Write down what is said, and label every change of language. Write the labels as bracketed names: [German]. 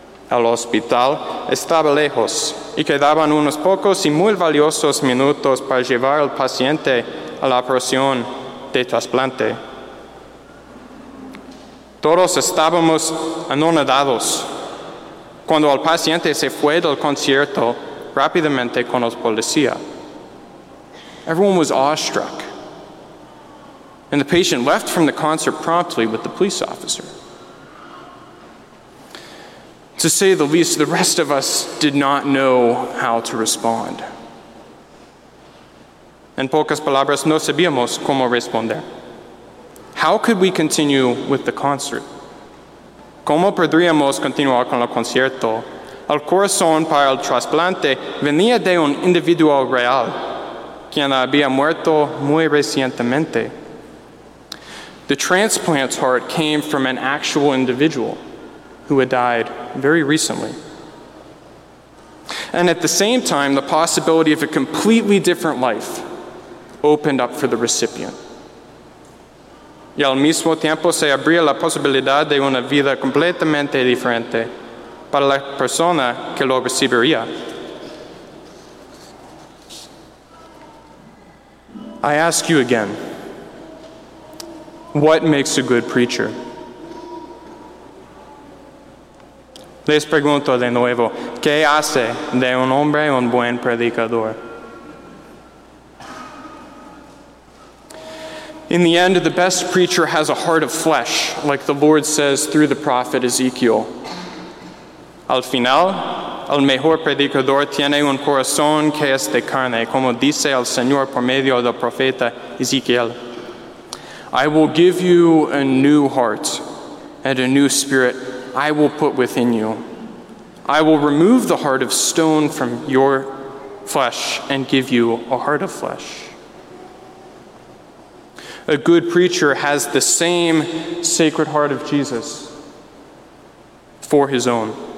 [Spanish] El hospital estaba lejos, y quedaban unos pocos y muy valiosos minutos para llevar al paciente a la operación de trasplante. Todos estábamos anonadados cuando el paciente se fue del concierto rápidamente con los policías. [English] Everyone was awestruck. And the patient left from the concert promptly with the police officer. To say the least, the rest of us did not know how to respond. [Spanish] En pocas palabras, no sabíamos cómo responder. [English] How could we continue with the concert? [Spanish] ¿Cómo podríamos continuar con el concierto? El corazón para el trasplante venía de un individuo real, quien había muerto muy recientemente. [English] The transplant heart came from an actual individual who had died very recently. And at the same time, the possibility of a completely different life opened up for the recipient. [Spanish] Y al mismo tiempo se abría la posibilidad de una vida completamente diferente para la persona que lo recibiría. [English] I ask you again, what makes a good preacher? [Spanish] Les pregunto de nuevo, ¿qué hace de un hombre un buen predicador? [English] In the end, the best preacher has a heart of flesh, like the Lord says through the prophet Ezekiel. [Spanish] Al final, el mejor predicador tiene un corazón que es de carne, como dice el Señor por medio del profeta Ezekiel. [English] I will give you a new heart and a new spirit I will put within you. I will remove the heart of stone from your flesh and give you a heart of flesh. A good preacher has the same sacred heart of Jesus for his own.